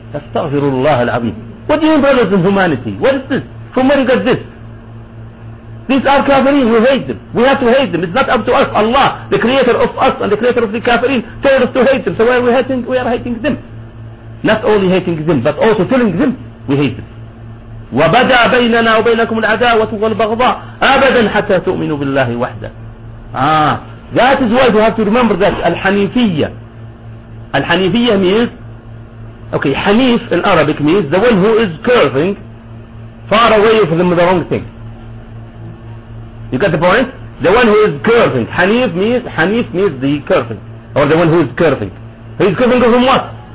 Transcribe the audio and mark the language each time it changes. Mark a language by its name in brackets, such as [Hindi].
[English] Astaghfirullah al-Azim. What do you mean brothers in humanity? What is this? From where you get this? These are kafirin. We hate them. We have to hate them. It's not up to us. Allah, the creator of us and the creator of the kafirin, told us to hate them. So why are we hating? We are hating them. Not only hating them, but also telling them we hate them. [Arabic] وَبَدَى بَيْنَنَا وَبَيْنَكُمُ الْعَدَاوَةُ وَالْبَغْضَاءُ أَبَدًا حَتَّى تُؤْمِنُوا بِاللَّهِ وَحْدَهُ [English] That is why you have to remember that Al-Hanifiyya. Al-Hanifiyya means, okay, Hanif in Arabic means the one who is curving far away from the wrong thing. You got the point? The one who is curving. Hanif means the curving. Or the one who is curving. He is curving from what?